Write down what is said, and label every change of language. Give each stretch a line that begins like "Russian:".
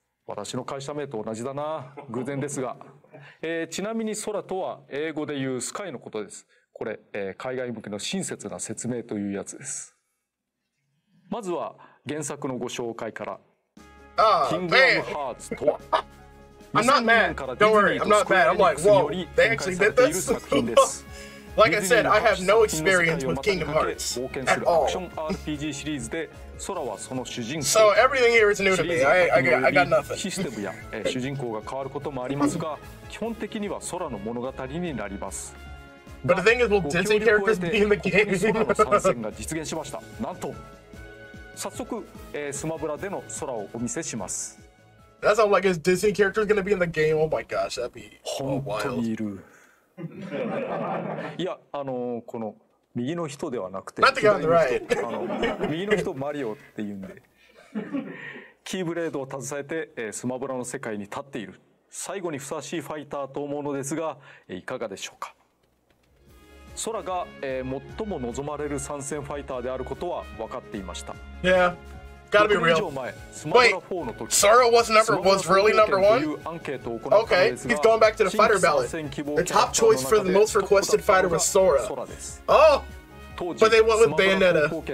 Japanese: 私の会社名と同じだな、偶然ですが。ちなみにソラとは英語で言うスカイのことです。これ、海外向けの親切な説明というやつです。まずは原作のご紹介から。キングダムハーツとは。
English: I'm not mad. Don't worry. I'm not mad. I'm like, whoa, they actually did this? Like I said, I have no experience with Kingdom Hearts at all. So everything here is new to me. I got nothing.
Japanese: システムや主人公が変わることもありますが、基本的にはソラの物語になります。
English: But the thing is, will Disney characters be in the game?
Japanese: ソラの参戦が実現しました。なんと、早速スマブラでのソラをお見せします。
English: That sounds like his Disney character is going to be in the game. Oh my gosh, that'd be so wild.
Japanese: いや、この右の人ではなくて、
English: Not the guy on the right.
Japanese: 右の人マリオって言うんで、キーブレードを携えてスマブラの世界に立っている。最後にふさわしいファイターと思うのですが、いかがでしょうか。ソラが最も望まれる参戦ファイターであることは分かっていました。
English: Yeah. Gotta be real. Wait, Sora was really number one? Okay, he's going back to the fighter ballot. The top choice for the most requested fighter was Sora. Oh! But they went with Bayonetta.